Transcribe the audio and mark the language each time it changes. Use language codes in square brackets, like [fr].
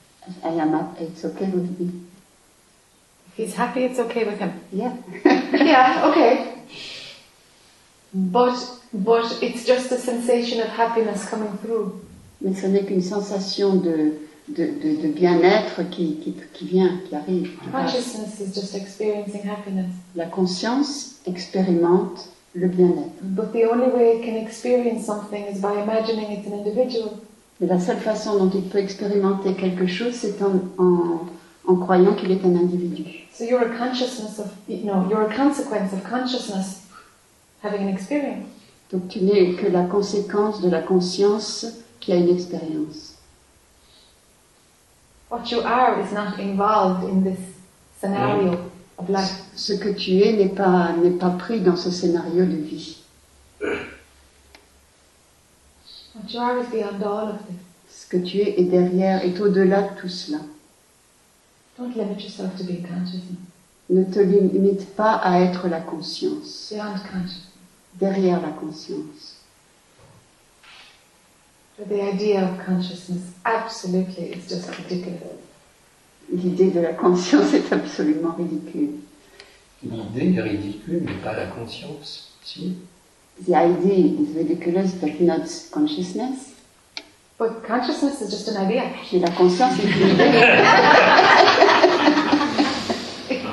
[en] If I am happy, it's okay with me. If he's happy, it's okay with him. Yeah. Yeah, okay. But it's just a sensation of happiness coming through. [fr] Mais ce n'est qu'une sensation de bien-être qui vient, qui arrive. [en] Consciousness is just experiencing happiness. [fr] La conscience expérimente le bien-être. [en] But the only way it can experience something is by imagining it's an individual. [fr] Mais la seule façon dont il peut expérimenter quelque chose, c'est en croyant qu'il est un individu. [en] So you're a consciousness of, no, you're a consequence of consciousness having an experience. [fr] Donc tu n'es que la conséquence de la conscience qui a une expérience. [en] What you are is not involved in this scenario of life. [fr] Ce que tu es n'est pas pris dans ce scénario de vie. [en] What you are is beyond all of this. [fr] Ce que tu es est derrière, est au-delà de tout cela. [en] Don't limit yourself to being conscious. [fr] Ne te limite pas à être la conscience. [en] Beyond consciousness. [fr] Derrière la conscience. [en] But the idea of consciousness absolutely is just ridiculous. [fr] L'idée de la conscience est absolument ridicule. L'idée est ridicule, mais pas la conscience, si. [en] The idea is ridiculous, but not consciousness. But consciousness is just an idea. [fr] Et la conscience est une idée.